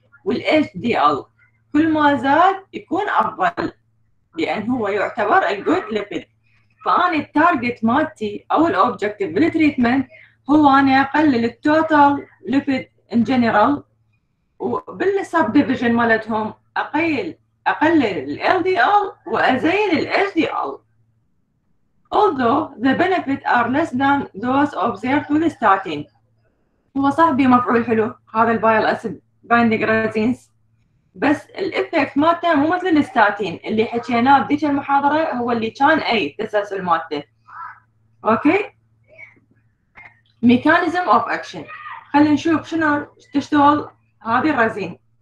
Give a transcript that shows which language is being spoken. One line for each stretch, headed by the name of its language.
Arabic: وال اتش دي ال كل ما زاد يكون افضل، لان هو يعتبر جود ليبيد. فأني التارجت مالتي أو الأوبجكتيف بالتريتمنت هو أنا أقلل التوتال ليبيد إن جنرال، وبالسب ديفيجن مالتهم أقلل الـ LDL وأزين الـ HDL.
English: Although the benefits are less than those observed with statin.
Arabic: هو صاحبي مفعول حلو هذا البايل أسيد بايندينج رزينز، بس الإفكت مالته مو مثل الستاتين اللي حكيناه بديك المحاضرة، هو اللي كان أي تسلسل مالته. أوكي، ميكانيزم أوف أكشن، خلينا نشوف شنو تشتغل هذه الرزين.